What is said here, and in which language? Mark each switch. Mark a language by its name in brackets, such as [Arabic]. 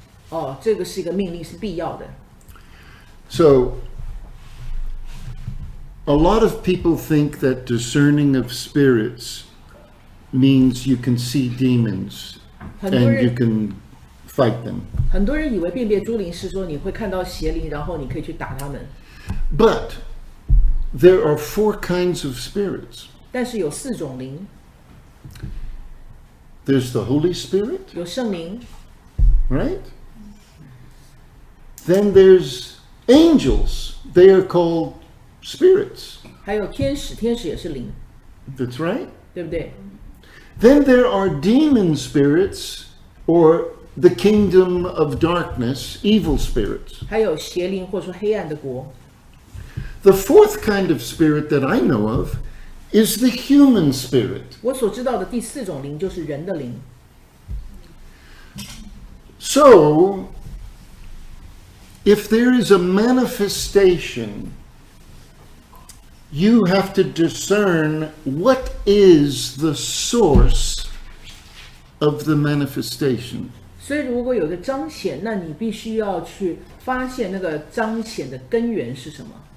[Chinese] 哦,这个是一个命令,是必要的。 [English] So,a lot of people think that discerning of spirits means you can see demons and you can fight them. [Chinese] 很多人以为辨别诸灵是说你会看到邪灵，然后你可以去打他们。 [English] But there are four kinds of spirits. [Chinese] 但是有四种灵。 [English] There's the Holy Spirit. [Chinese] 有圣灵。 [English] Right? Then there's angels. They are called... spirits. [Chinese] 还有天使，天使也是灵。 [English] That's right. [Chinese] 对不对？ [English] Then there are demon spirits or the kingdom of darkness, evil spirits. [Chinese] 还有邪灵或者说黑暗的国。 [English] The fourth kind of spirit that I know of is the human spirit. [Chinese] 我所知道的第四种灵就是人的灵。 [English] So, if there is a manifestationYou have to discern what is the source of the manifestation. [Chinese] 所以如果有个彰显，那你必须要去发现那个彰显的根源是什么。